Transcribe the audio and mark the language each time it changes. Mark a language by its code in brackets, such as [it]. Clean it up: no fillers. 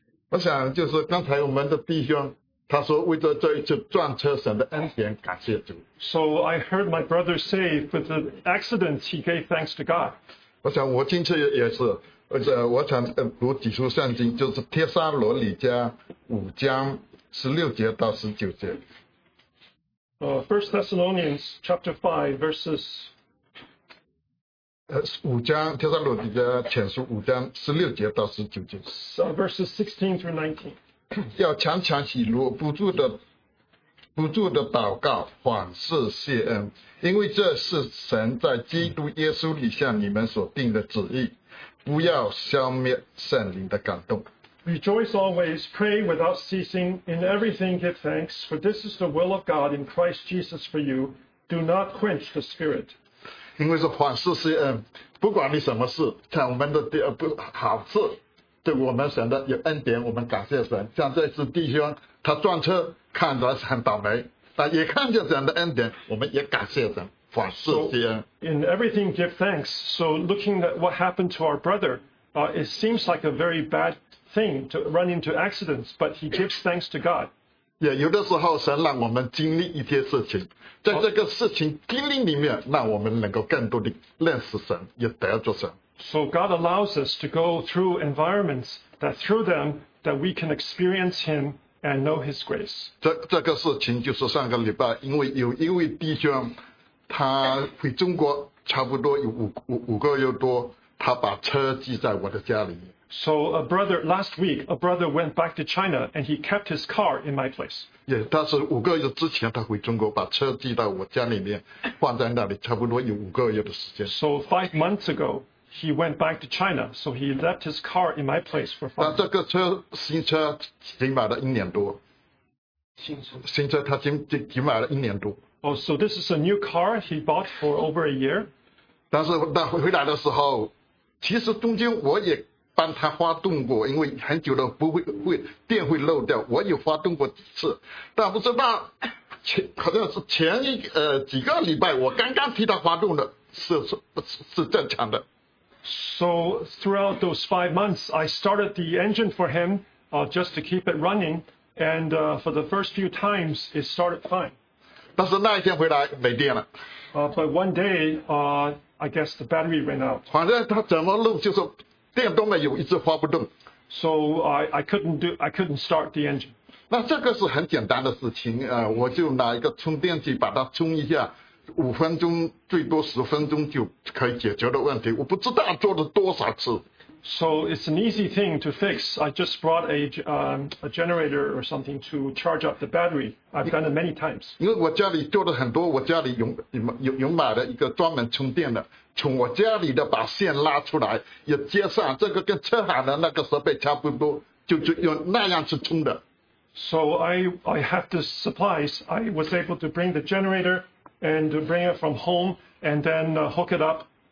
[zh] 我想就是刚才我们的弟兄,他说为了这一次撞车神的恩典,感谢主。 [en] So I heard my brother say, with the accident, he gave thanks to God. [zh] 我想我今次也是,我想读几处圣经,就是帖撒罗尼迦5章16节到19节。 [en] 1 Thessalonians chapter 5, verses [zh] 五章帖撒罗尼迦前书五章十六节到十九节。 [en] Verses 16-19。 [zh] 要常常喜乐，不住的祷告，反是谢恩，因为这是神在基督耶稣里向你们所定的旨意。不要消灭圣灵的感动。 [en] Rejoice always, pray without ceasing, in everything give thanks, for this is the will of God in Christ Jesus for you. Do not quench the Spirit. [zh] 因为是反是谢恩，不管你什么事，像我们的好事，对我们神的有恩典，我们感谢神。像这次弟兄他撞车，看着很倒霉，但也看见神的恩典，我们也感谢神。 [en] So, in everything give thanks. So looking at what happened to our brother, it seems like a very bad thing to run into accidents, but he gives thanks to God. [zh] Yeah, 有的时候神让我们经历一些事情，在这个事情经历里面，让我们能够更多的认识神，也得着神。 [en] So God allows us to go through environments that through them that we can experience him and know his grace. [zh] 这个事情就是上个礼拜，因为有一位弟兄他回中国差不多有五个月多，他把车寄在我的家里。 [en] So a brother last week, a brother went back to China and he kept his car in my place. [zh] Yeah, 但是五个月之前他回中国把车寄到我家里面，放在那里差不多有五个月的时间。 [en] So 5 months ago, he went back to China, so he left his car in my place for 5 months. [zh] 但这个车新车仅买了一年多。新车他仅买了一年多。 [en] Oh, so this is a new car he bought for over a year. [zh] 但是他回来的时候，其实中间我也帮他发动过，因为很久了不会电会漏掉，我也发动过几次。但不知道好像是几个礼拜我刚刚替他发动的，是正常的。 [en] So throughout those 5 months, I started the engine for him, just to keep it running, and for the first few times, it started fine. [zh] 但是那一天回来没电了。 [en] But one day, I guess the battery ran out. [zh] 反正他怎么弄就是电都没有，一直发不动。 [en] So I couldn't start the engine. [zh] 那这个是很简单的事情，我就拿一个充电器把它充一下，五分钟最多十分钟就可以解决的问题。我不知道做了多少次。 [en] So it's an easy thing to fix. I just brought a generator or something to charge up the battery. I've done it many times. [zh] 因为我家里做了很多，我家里有买了一个专门充电的，从我家里的把线拉出来，也接上这个跟车上的那个设备差不多，就用那样去充的。 [en] So I have the supplies. I was able to bring the generator and to bring it from home and then hook it up.